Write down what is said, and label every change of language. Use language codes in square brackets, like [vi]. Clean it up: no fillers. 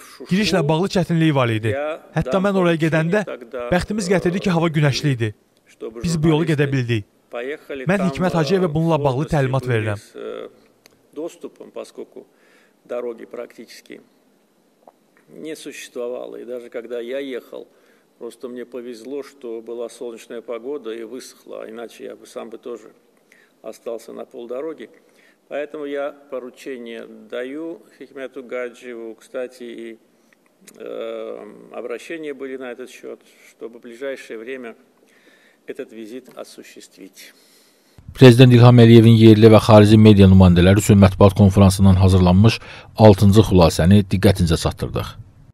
[az] Girişlə bağlı çətinliyi var idi. Hətta mən oraya gedəndə bəxtimiz gətirdi ki, hava günəşli idi. Biz bu yolu gedə bildik. Mən Hikmət Hacıyevə bununla bağlı təlimat verirəm. [ru] Просто мне повезло, что была солнечная погода и высохла, иначе я бы сам бы тоже остался на полдороги. Поэтому я поручение даю Хикмету Гаджиеву, кстати, и обращения были на этот счет, чтобы в ближайшее время этот визит осуществить. [az] Prezident İlham Əliyevin yerli və xarici media nümayəndələri üçün mətbuat konfransından hazırlanmış 6-cı xülasəni diqqətinizə çatdırdıq.